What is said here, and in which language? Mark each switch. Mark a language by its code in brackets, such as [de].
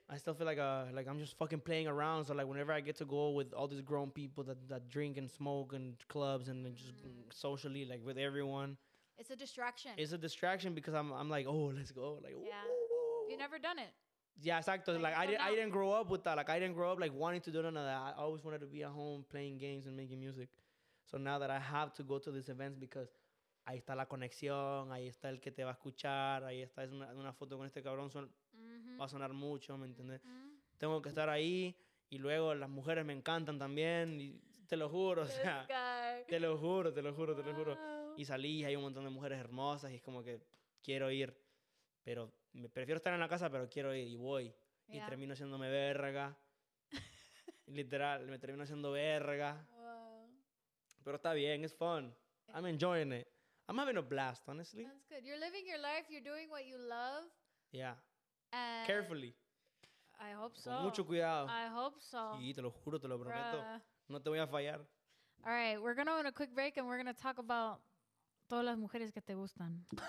[en] I still feel like I'm just fucking playing around. So like whenever I get to go with all these grown people that drink and smoke and clubs and just socially, like with everyone. It's a distraction. It's a distraction because I'm like, oh, let's go. Like, yeah. Ooh. You never done it. Yeah, exacto. Like I didn't grow up with that. Like I didn't grow up like wanting to do none of that. I always wanted to be at home playing games and making music. So now that I have to go to these events because... [es] Ahí está la conexión, ahí está el que te va a escuchar, ahí está una foto con este cabrón, va a sonar mucho, ¿me entiendes? Mm-hmm. Tengo que estar ahí y luego las mujeres me encantan también, y te lo juro, [en] this [es] o sea, [en] guy. [es] te lo juro, wow. te lo juro. Y salí y hay un montón de mujeres hermosas y es como que quiero ir, pero me prefiero estar en la casa, pero quiero ir y voy. [en] Yeah. [es] Y termino haciéndome verga, literal, me termino haciendo verga. [en] Wow. [es] Pero está bien, [en] it's fun, I'm enjoying it. I'm having a blast, honestly. That's good. You're living your life. You're doing what you love. Yeah. And carefully. I hope so. [es] Con mucho cuidado. [en] I hope so. [es] Sí, te lo juro, te lo prometo. No te voy a fallar. [en] All right, we're going to go on a quick break and we're going to talk about [es] todas las mujeres que te gustan.